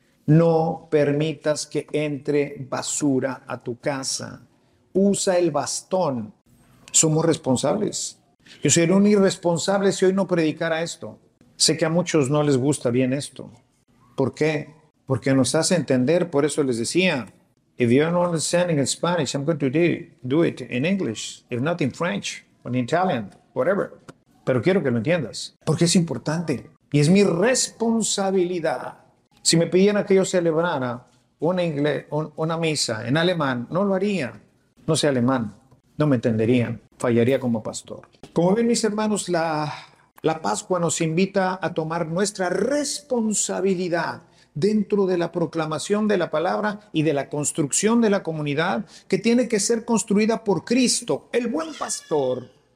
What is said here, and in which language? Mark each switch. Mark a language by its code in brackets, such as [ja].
[es] No permitas que entre basura a tu casa. Usa el bastón. Somos responsables. Yo sería un irresponsable si hoy no predicara esto. Sé que a muchos no les gusta bien esto. ¿Por qué? Porque nos hace entender. Por eso les decía, [en] if you're not understanding in Spanish, I'm going to do it in English. If not in French, or in Italian, whatever. [es] Pero quiero que lo entiendas. Porque es importante. Y es mi responsabilidad. Si me pidieran que yo celebrara una misa en alemán, no lo haría. No sé alemán. No me entenderían. Fallaría como pastor. Como ven, mis hermanos, la Pascua nos invita a tomar nuestra responsabilidad dentro de la proclamación de la palabra y de la construcción de la comunidad que tiene que ser construida por Cristo, el buen pastor.